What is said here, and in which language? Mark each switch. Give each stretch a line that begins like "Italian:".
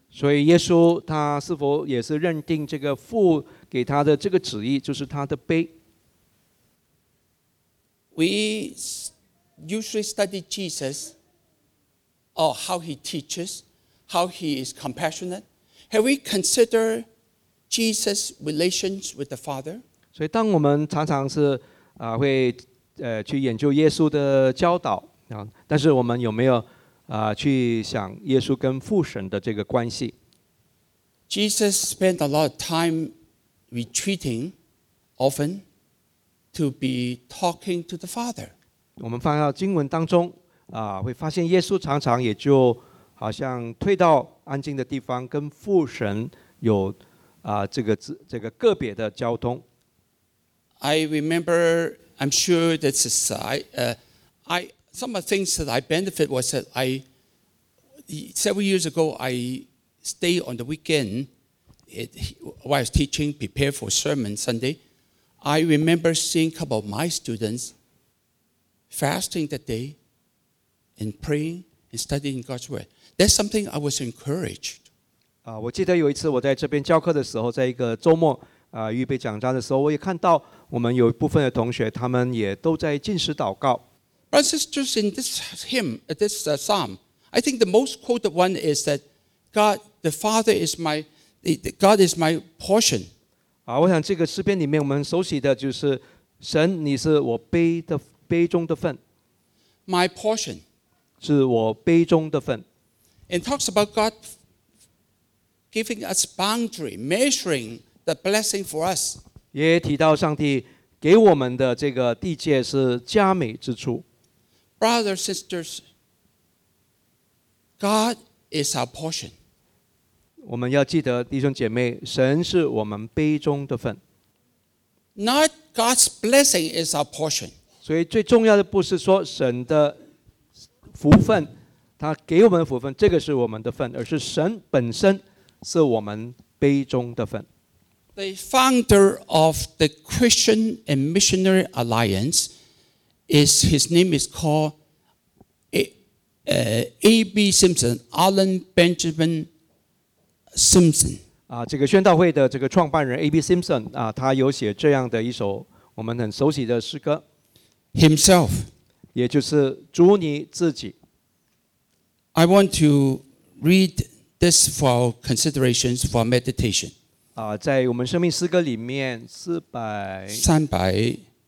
Chinese: 所以耶稣他是否也是认定这个父给他的这个旨意就是他的杯？
English: We usually study Jesus, or how he teaches, how he is compassionate. Have we considered Jesus' relations with the Father?
Chinese: 所以当我们常常是会去研究耶稣的教导啊，但是我们有没有去想耶稣跟父神的这个关系？
English: Jesus spent a lot of time retreating, often. To be talking to the Father.
Chinese: 我们放到经文当中会发现耶稣常常也就好像退到安静的地方，跟父神有这个个别的交通。
English: I remember, I'm sure this is some of the things that I benefit was that I several years ago I stayed on the weekend while I was teaching, prepare for sermon Sunday. I remember seeing a couple of my students fasting that day and praying and studying God's word. That's something I was encouraged.
Chinese: 我记得有一次我在这边教课的时候，在一个周末预备讲章的时候，我也看到我们有一部分的同学，他们也都在进食祷告。
English: But sisters, in this hymn, this psalm, I think the most quoted one is that God, the Father is my, God is my portion.
Chinese: 我想这个诗篇里面我们熟悉的就是神你是我杯的杯中的份。
English: My portion.
Chinese: 是我杯中的份。
English: It talks about God giving us boundary, measuring the blessing for us.
Chinese: 也提到上帝给我们的这个地界是佳美之处。
English: Brothers, sisters, God is our portion.
Chinese: 我们要记得弟兄姐妹，神是我们杯中的份。
English: Not God's blessing is our portion.
Chinese: 所以最重要的不是说神的福分，他给我们的福分，这个是我们的份，而是神本身是我们杯中的份。
English: The founder of the Christian and Missionary Alliance is, his name is called A.B. Simpson, Alan Benjamin Simpson.
Chinese: 这个宣道会的这个创办人 A.B. Simpson 啊，他有写这样的一首我们很熟悉的诗歌
English: ，Himself，
Chinese: 也就是主你自己。
English: I want to read this for considerations for meditation。
Chinese: 啊，在我们生命诗歌里面300。